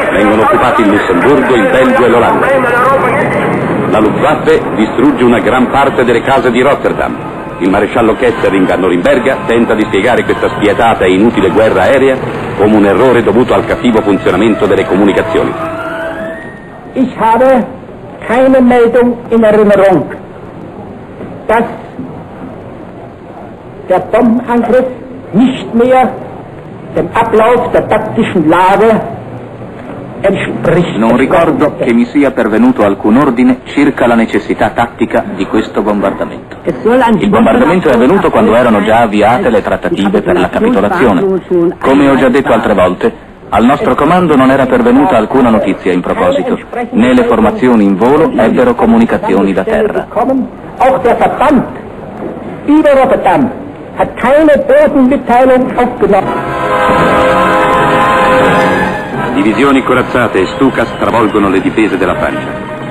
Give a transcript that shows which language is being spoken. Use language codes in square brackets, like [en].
[it] Vengono occupati il Lussemburgo, il Belgio e l'Olanda. La Luftwaffe distrugge una gran parte delle case di Rotterdam. Il maresciallo Kesselring a Norimberga tenta di spiegare questa spietata e inutile guerra aerea come un errore dovuto al cattivo funzionamento delle comunicazioni. [de] Ich habe keine Meldung in Erinnerung, dass der Bombenangriff nicht mehr dem Ablauf der taktischen Lage entspricht. [it] Non ricordo che mi sia pervenuto alcun ordine circa la necessità tattica di questo bombardamento. Il bombardamento è avvenuto quando erano già avviate le trattative per la capitolazione. Come ho già detto altre volte, al nostro comando non era pervenuta alcuna notizia in proposito, né le formazioni in volo ebbero comunicazioni da terra. [de] Auch der Verband über Rotterdam hat keine Bodenmitteilung aufgenommen. [it] Divisioni corazzate e Stuka stravolgono le difese della Francia.